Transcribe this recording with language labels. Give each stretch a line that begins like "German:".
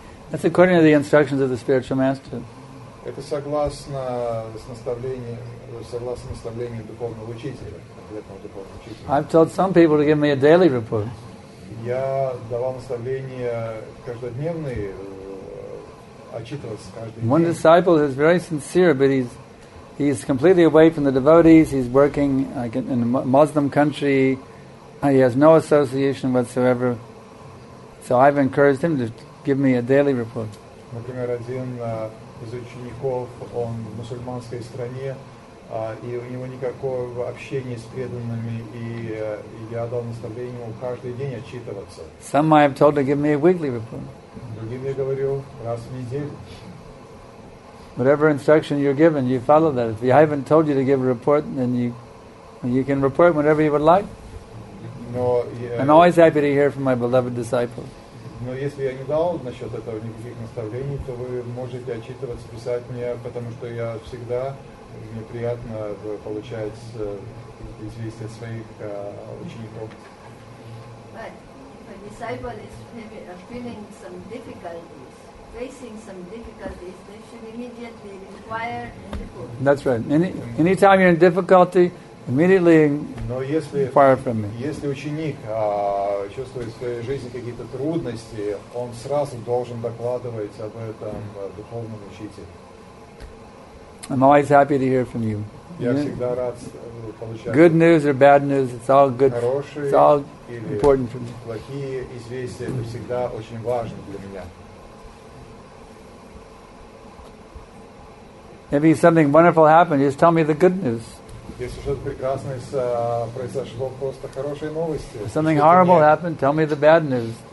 English: That's according to the instructions of the spiritual master.
Russian: Это согласно с наставлением, согласно наставлениям духовного учителя, конкретного духовного учителя.
English: I've told some people to give me a daily report.
Russian: Я давал наставления каждодневные, отчитываться каждый день.
English: One disciple is very sincere, but he's completely away from the devotees. He's working like in a Muslim country. He has no association whatsoever. So I've encouraged him to give me a daily report.
Russian: Например, один из учеников, он в мусульманской стране, и у него никакого общения с преданными, и я дал наставление ему каждый день отчитываться.
English: Some I have told to give me a weekly report.
Russian: Другим я говорю раз в неделю.
English: Whatever instruction you're given, you follow that. If I haven't told you to give a report, then you can report whenever you would like. I'm always happy to hear from my beloved disciple.
Russian: Но если я не дал насчет этого никаких наставлений, то вы можете отчитываться, писать мне, потому что я всегда мне приятно получать известия от своих учеников.
English: But the disciple is feeling some difficulties, facing some difficulties, they should immediately inquire and report. That's right. Any time you're in difficulty, immediately inquire from me.
Russian: Если ученик чувствует в своей жизни какие-то трудности, он сразу должен докладывать об этом духовному учителю.
English: I'm always happy to hear from you.
Russian: Я всегда рад получать.
English: Good news or bad news, it's all good.
Russian: Хорошие,
English: it's all important for me.
Russian: Плохие известия, это всегда очень важно для меня.
English: Maybe something wonderful happened, just tell me the good news.
Russian: Если что-то прекрасное произошло, просто хорошие новости.
English: Something horrible happened, tell me the bad news.